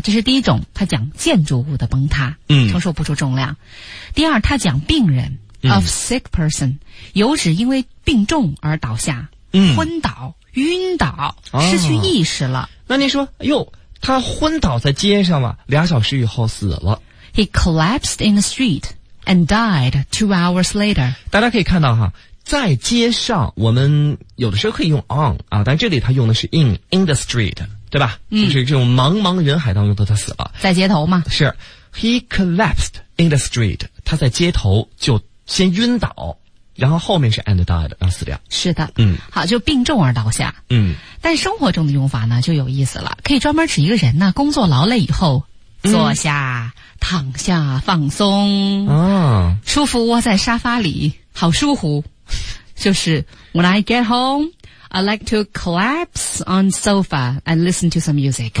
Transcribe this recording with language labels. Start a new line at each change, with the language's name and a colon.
Chinese: 这是第一种，它讲建筑物的崩塌，承受不住重量。第二，它讲病人。
English: Of sick person，
Chinese: 有指因为病重而倒下，昏倒、晕倒、失去意识了。那您说，哎呦，他昏倒在街上了，俩小时以后死了。
English: He collapsed in the street and died 2 hours later。
Chinese: 大家可以看到哈，在街上，我们有的时候可以用 on 啊，但这里他用的是
English: in the street，
Chinese: 对吧？就是这种茫茫人海当中的他死了，在街头嘛。
English: 是 ，He collapsed in the street，
Chinese: 他在街头就。先晕倒，然后后面是
English: and died，
Chinese: 然后死掉。是的，嗯，好，就病重而倒下。嗯，但生活中的用法呢就有意思了，可以专门指一个人呢工作劳累以后坐下、躺下放松，舒服窝在沙发里，好舒服。就是
English: When I get home, I like to collapse on sofa and listen to some music。